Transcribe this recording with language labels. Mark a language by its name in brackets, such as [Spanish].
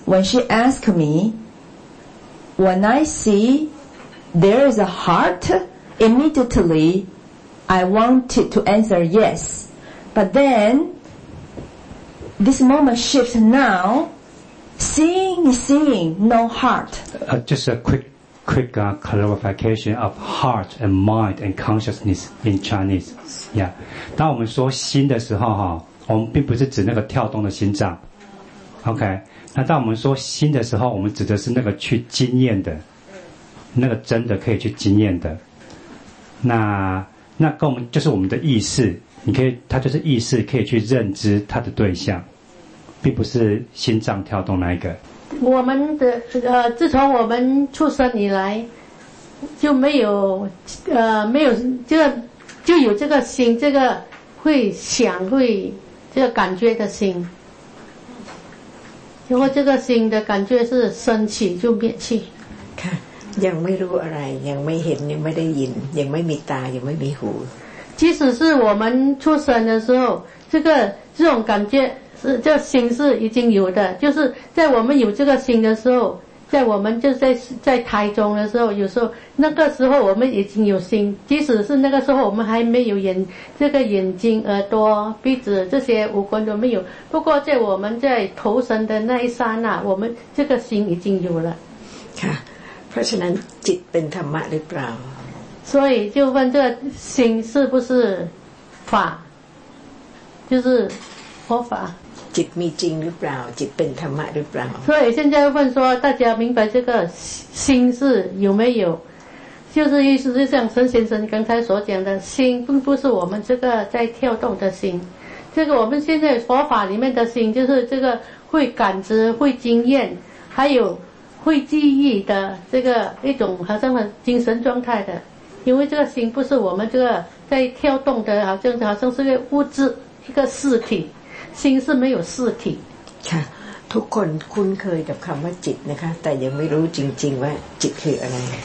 [English] When she asked me, when I see there is a heart,immediately, I wanted to answer yes. But then, this moment shifts now. Seeing is seeing, no heart. Just a quick clarification of heart and mind and consciousness in Chinese. Yeah. [Chinese] 当我们说心的时候，我们并不是指那个跳动的心脏。 OK. 那当我们说心的时候，我们指的是那个去经验的，那个真的可以去经验的。那跟我们就是我们的意识，你可以，它就是意识，可以去认知它的对象，并不是心脏跳动那一个。我们的自从我们出生以来，就没有没有这个，就有这个心，这个会想会这个感觉的心，然后这个心的感觉是升起就灭去。 [Thai] ยังไม่รู้อะไรยังไม่เห็นยังไม่ได้ยินยังไม่มีตายังไม่มีหู [Chinese] 即使是我们出生的时候这种感觉是这心是已经有的，就是在我们有这个心的时候，在我们就在胎中的时候，有时候那个时候我们已经有心，即使是那个时候我们还没有眼睛耳朵鼻子这些五官都没有，不过在我们在投生的那一刹那，我们这个心已经有了。 [Thai] ค่ะเพราะฉะนั้นจิตเป็นธรรมะหรือเปล่า [Chinese] 所以就问这个心是不是法就是佛法 [Thai] จิตมีจริงหรือเปล่าจิตเป็นธรรมะหรือเปล่า [Chinese] 所以现在问说大家明白这个心是有没有就是意思就像陈先生刚才所讲的心并不是我们这个在跳动的心这个我们现在佛法里面的心就是这个会感知会经验还有会记忆的这个一种好像精神状态的，因为这个心不是我们这个在跳动的，好像是个物质一个事体，心是没有事体。 [Thai] ค่ะทุกคนคุ้นเคยกับคำว่าจิตนะคะแต่ยังไม่รู้จริงๆว่าจิตคืออะไร